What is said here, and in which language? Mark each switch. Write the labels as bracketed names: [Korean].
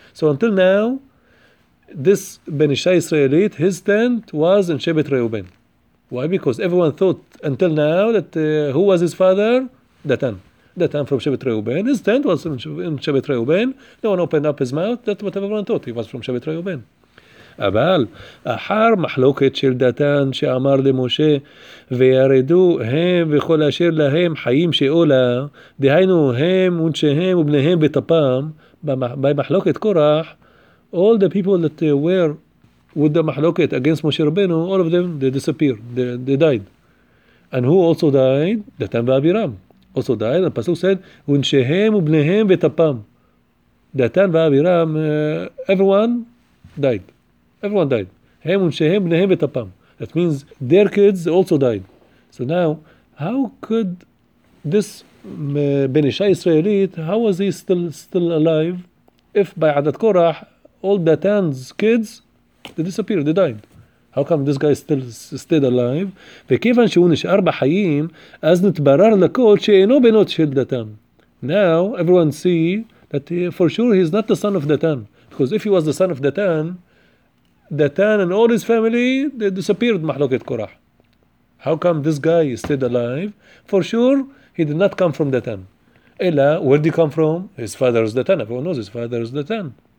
[English] So until now, this Benishai Israelite, his tent was in Shebet Reuben. Why? Because everyone thought until now that who was his father? Datan. Datan from Shebet Reuben. His tent was in Shebet Reuben. No one opened up his mouth. That's what everyone thought. He was from Shebet Reuben. [Hebrew] אבל אחר מחלוקת של דתן שאמר למשה וירדו הם וכל אשר להם חיים שאולה דהיינו הם ונשיהם ובניהם בטפם במחלוקת קורח [English] all the people that were with the [Hebrew] מחלוקת against משה רבנו [English] all of them they disappeared they died and who also died דתן ואבירם also died and פסוק said [Hebrew] ונשיהם ובניהם בטפם [English] דתן ואבירם everyone died. Everyone died. Him and Shehem, Nehem and Tapam. That means their kids also died. So now, how could this Benisha Israelite, how was he still alive if by Adat Korah, all Datan's kids, they disappeared, they died? How come this guy still stayed alive? [Hebrew] וכיוון שהוא נשאר בחיים, אז נתברר לכל שאינו בנות של Datan. [English] Now, everyone see that for sure he's not the son of Datan. Because if he was the son of Datan, Datan and all his family, they disappeared, Mahloket Korah. How come this guy stayed alive? For sure, he did not come from Datan. Ella, where did he come from? His father is Datan. Everyone knows his father is Datan.